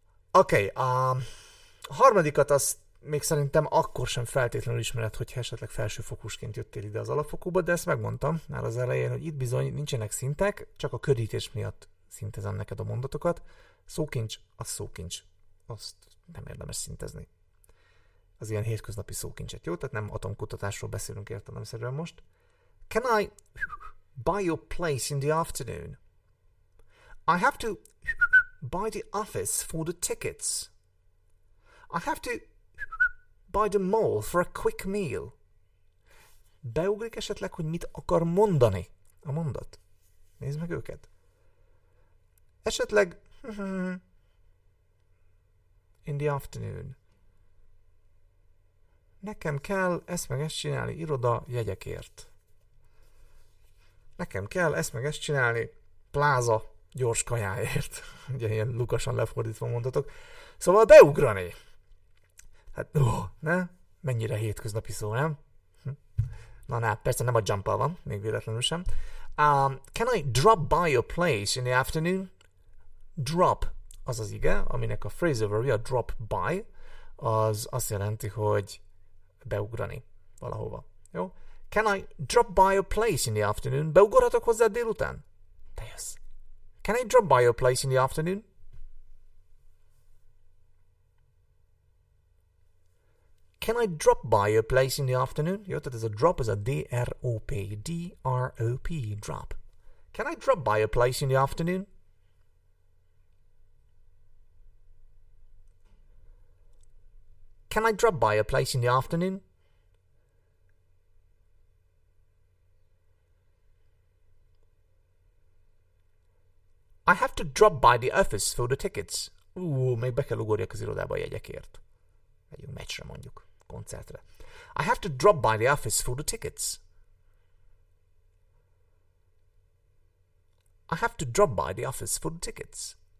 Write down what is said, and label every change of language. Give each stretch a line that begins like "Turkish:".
Hungarian: Oké, a harmadikat azt még szerintem akkor sem feltétlenül ismered, hogyha esetleg felsőfokúsként jöttél ide az alapfokúba, de ezt megmondtam már az elején, hogy itt bizony nincsenek szintek, csak a körítés miatt szintezem neked a mondatokat. Szókincs, az szókincs, azt nem érdemes szintezni. Az ilyen hétköznapi szókincset, jó? Tehát nem atomkutatásról beszélünk értelemszerűen most.
English: Can I buy your place in the afternoon? I have to buy the office for the tickets. I have to buy the mall for a quick meal.
Hungarian: Beugrik esetleg, hogy mit akar mondani a mondat. Nézd meg őket. Esetleg
English: in the afternoon.
Hungarian: Nekem kell ezt meg ezt csinálni iroda jegyekért. Nekem kell ezt meg ezt csinálni pláza gyors kajáért. Ugye ilyen lukasan lefordítva mondatok. Szóval beugrani! Hát, ó, ne? Mennyire hétköznapi szó, nem? Na, ne, persze nem a jumpa van, még véletlenül sem.
English: Can I drop by your place in the afternoon?
Hungarian: Drop, az az ige, aminek a phrasal verb-je, a drop by, az azt jelenti, hogy beugrani valahova. Jó?
English: Can I drop by your place in the afternoon?
Hungarian: Beugorhatok hozzá délután? De jössz.
English: Can I drop by your place in the afternoon? Can I drop by your place in the afternoon?
Hungarian: Jó, tehát ez a drop, ez a D-R-O-P. D-R-O-P, drop.
English: Can I drop by your place in the afternoon? Can I drop by your place in the afternoon? I have to drop by the office for the tickets.
Hungarian: Még be kell ugorjak az irodába a jegyekért. Egy meccsre mondjuk. Koncertre.
English: I have to drop by the office for the tickets. I have to drop by the office for the tickets.